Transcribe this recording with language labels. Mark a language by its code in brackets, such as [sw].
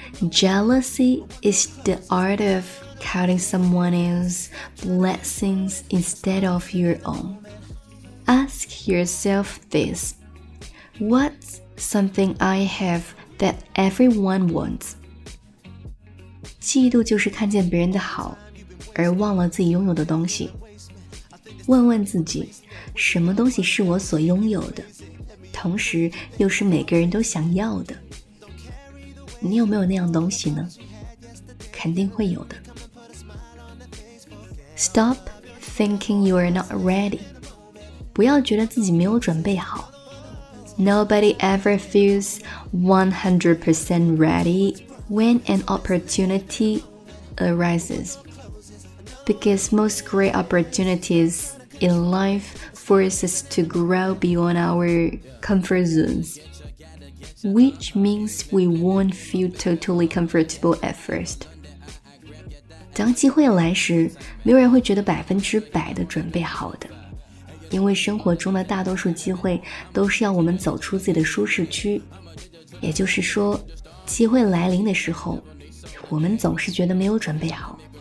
[en] Jealousy is the art of counting someone else's blessings instead of your own。 Ask yourself this: What's something I have that everyone wants？ [zh] 嫉妒就是看见别人的好而忘了自己拥有的东西。问问自己，什么东西是我所拥有的，同时又是每个人都想要的？你有没有那样东西呢？肯定会有的。 [en] Stop thinking you are not ready， [zh] 不要觉得自己没有准备好。 [en] Nobody ever feels 100% ready when an opportunity arises， because most great opportunitiesIn life forces us to grow beyond our comfort zones, which means we won't feel totally comfortable at first. [zh] 当机会来时，没有人会觉得100%的准备好的，因为生活中的大多数机会都是要我们走出自己的舒适区。也就是说，机会来临的时候，我们总是觉得没有准备好。